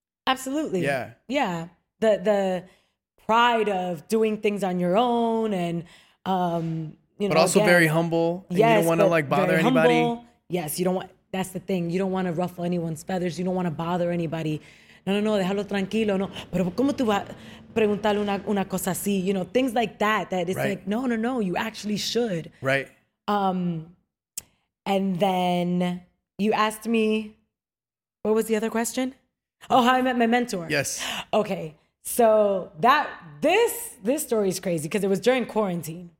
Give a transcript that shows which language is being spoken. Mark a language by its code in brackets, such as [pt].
[en] Absolutely. Yeah. Yeah. The pride of doing things on your own and, you know. But also again, very humble. And yes. You don't want to like bother anybody. Humble. Yes. You don't want, that's the thing. You don't want to ruffle anyone's feathers. You don't want to bother anybody. [es] No, déjalo tranquilo. No, pero ¿cómo tú vas a preguntarle una cosa así? [en] You know, things like that, that it's right. Like, no, you actually should. Right. And then you asked me, what was the other question? Oh, how I met my mentor. Yes. Okay. So that, this story is crazy because it was during quarantine.